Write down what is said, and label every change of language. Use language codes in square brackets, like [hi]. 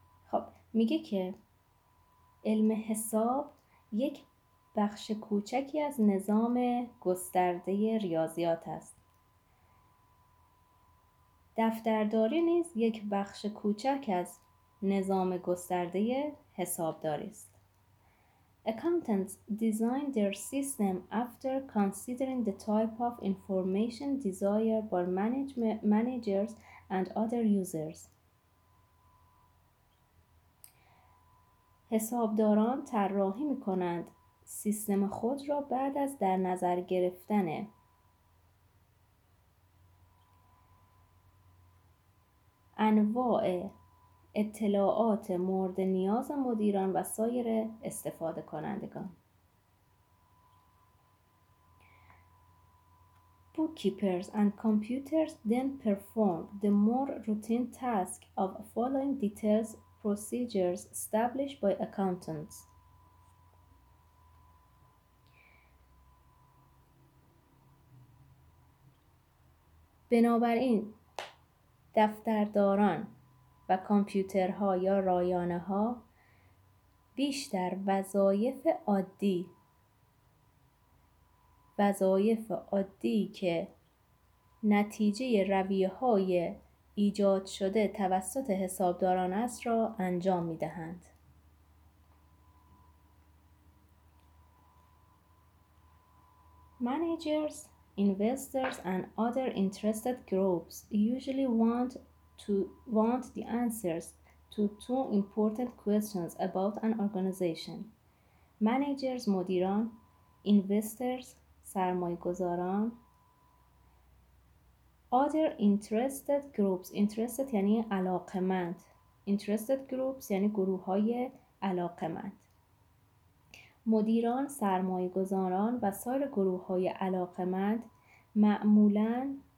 [fa] خب میگه که علم حساب یک بخش کوچکی از نظام گسترده ریاضیات است. دفترداری نیز یک بخش کوچک از نظام گسترده حسابداری است. [en] Accountants design their system after considering the type of information desired by managers and other users. [fa] حسابداران طراحی می‌کنند سیستم خود را بعد از در نظر گرفتن انواع اطلاعات مورد نیاز مدیران و سایر استفاده کنندگان. [en] Bookkeepers and computers then perform the more routine task of following details procedures established by accountants. [fa] بنابراین دفترداران و کامپیوترها یا رایانه ها بیشتر وظایف عادی، وظایف عادی که نتیجه رویه‌های ایجاد شده توسط حسابداران است را انجام می‌دهند. [en] Managers, investors and other interested groups usually want the answers to two important questions about an organization. [fa] Managers, مدیران، investors سرمایه گذاران، [en] other interested groups، [fa] interested یعنی علاقمند، [en] interested groups [fa] یعنی گروه های علاقمند، مدیران، سرمایه گذاران و سایر گروه های علاقمند معمولاً